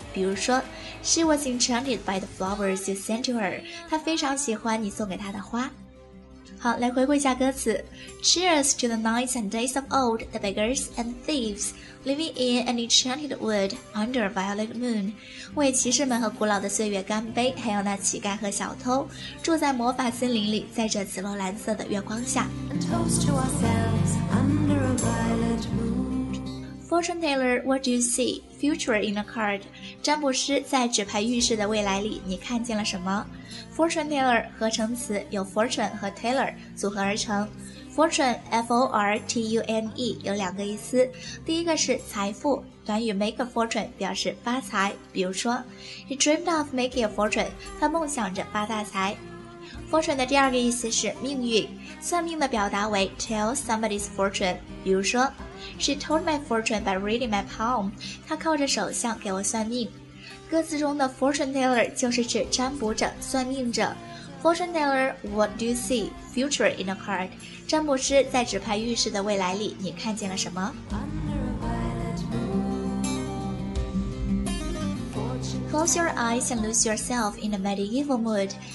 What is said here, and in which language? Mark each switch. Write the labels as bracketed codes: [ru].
[zh] 比如说 [en] She was enchanted by the flowers you sent to her. [zh] 她非常喜欢你送给她的花。好，来回顾一下歌词。 [en] Cheers to the nights and days of old, the beggars and thieves, living in an enchanted wood under a violet moon. [zh] 为骑士们和古老的岁月干杯，还有那乞丐和小偷，住在魔法森林里，在这紫罗兰色的月光下。 [en] And toast to ourselves under a violet moon. Fortune teller, what do you see? Future in a card. [zh] 占卜师在纸牌运势的未来里，你看见了什么？ Fortune teller 合成词，有 fortune 和 teller 组合而成。 Fortune F-O-R-T-U-N-E 有两个意思，第一个是财富，短语 make a fortune 表示发财。比如说 [en] He dreamed of making a fortune， [zh] 他梦想着发大财。 Fortune 的第二个意思是命运，算命的表达为 [en] tell somebody's fortune。 [zh] 比如说 [en] She told my fortune by reading my palm， [zh] 他靠着手相给我算命。歌词中的 fortune teller 就是指占卜者、算命者。 [en] Fortune teller, what do you see? Future in a card. [zh] 占卜师在纸牌预示的未来里，你看见了什么？ [en] Close your eyes and lose yourself in a medieval mood.